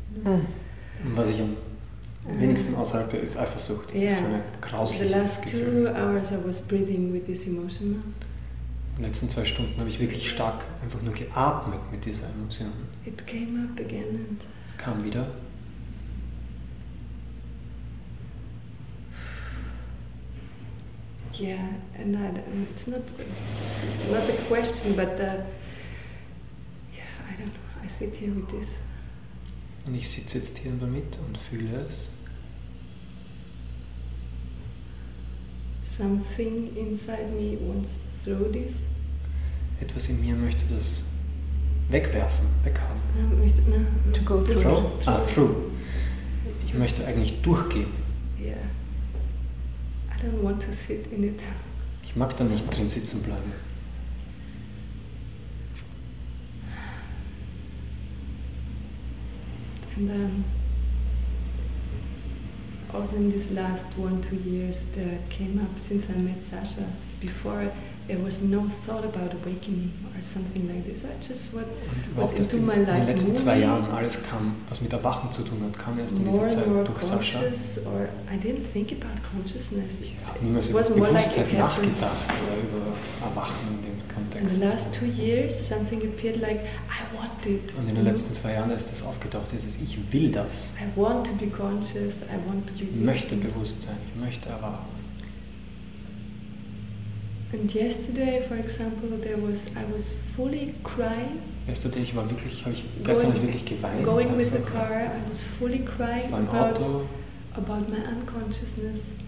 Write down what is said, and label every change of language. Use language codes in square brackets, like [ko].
[de] Und was ich am wenigsten aushalte, ist Eifersucht. Das ist so ein grausliches Gefühl. [en] The last two hours I was breathing with this emotion now. [de] In den letzten zwei Stunden habe ich wirklich stark einfach nur geatmet mit dieser Emotion. [en] It came up again and [de] es kam wieder. [en] Yeah, and it's not a question, but I don't know. I sit here with this. [de] Und ich sitze jetzt hier damit und fühle es. [en] Something inside me wants through this. [de] Etwas in mir möchte das wegwerfen, weghaben. [en] To go through. [de] Through. Ich möchte eigentlich durchgehen. [en] Yeah. I don't want to sit in it. [de] Ich mag da nicht drin sitzen bleiben. [en] And also in these last 1-2 years that came up since I met Sasha before. there was no thought about awakening or something like this. I just was into my life. [de] In den letzten zwei Jahren alles kam, was mit Erwachen zu tun hat, kam erst in dieser Zeit durch Sascha. [en] Or I didn't think about consciousness. [de] Ich habe niemals über Bewusstheit nachgedacht oder über Erwachen in dem Kontext. [en] In the last 2 years, something appeared like I want it. [de] Und in den letzten zwei Jahren ist das aufgetaucht, dieses Ich will das. [en] I want to be conscious. I want to be. [de] Ich möchte bewusst sein. Ich möchte erwachen. [en] And yesterday, for example, I was fully crying. [de] Yesterday, ich war wirklich, habe ich gestern going, wirklich geweint. [en] Going with the car, I was fully crying about my unconsciousness.